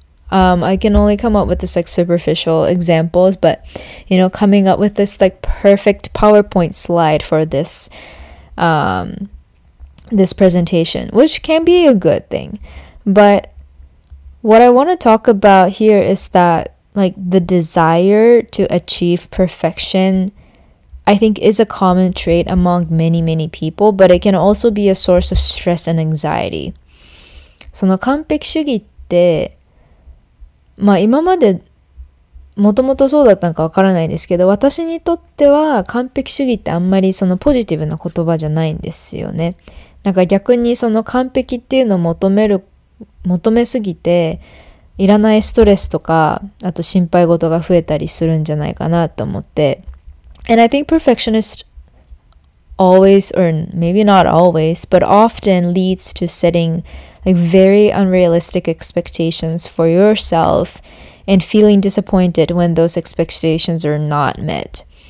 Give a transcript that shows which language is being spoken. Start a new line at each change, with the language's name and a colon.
English: I can only come up with this like superficial examples, but you know, coming up with this like perfect PowerPoint slide for this presentation, which can be a good thing. But what I want to talk about here is that, like, the desire to achieve perfection, I think, is a common trait among many, many people, but it can also be a source of stress and anxiety.
Japanese: その完璧主義って、まあ今までもともとそうだったのかわからないんですけど、私にとっては完璧主義ってあんまりそのポジティブな言葉じゃないんですよね。なんか逆にその完璧っていうのを求めすぎて、いらないストレスとか、あと心配事が増えたりするんじゃないかなと思って。
English: And I think perfectionist always, or maybe not always, but often leads to setting like very unrealistic expectations for yourself and feeling disappointed when those expectations are not met.